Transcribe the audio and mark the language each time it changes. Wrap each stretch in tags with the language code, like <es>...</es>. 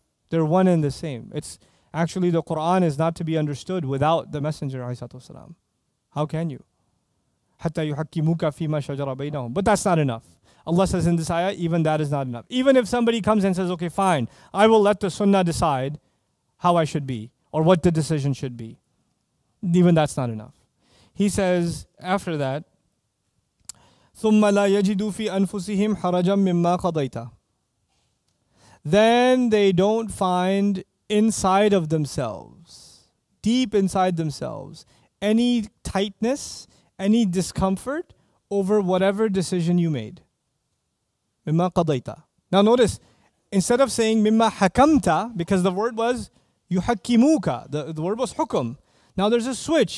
<en>They're one and the same. It's actually, the Quran is not to be understood without the Messenger, alayhi salam. How can you?</en> <ar>حَتَّى يُحَكِّمُكَ فِي مَا شَجَرَ بَيْنَهُمْ.</ar> <en>But that's not enough. Allah says in this ayah, even that is not enough. Even if somebody comes and says, okay, fine, I will let the sunnah decide how I should be or what the decision should be. Even that's not enough. He says after that,</en> <ar>ثُمَّ لَا يَجِدُوا فِي أَنفُسِهِمْ حَرَجًا مِمَّا قَضَيْتَ.</ar> <en>Then they don't find inside of themselves, deep inside themselves, any tightness, any discomfort over whatever decision you made.</en> <ar>مِمَّا قَضَيْتَ.</ar> <en>Now notice, instead of saying</en> <ar>مِمَّا حَكَمْتَ,</ar> <en>because the word was يُحَكِّمُوكَ, the word was حُكُم. Now there's a switch.</en>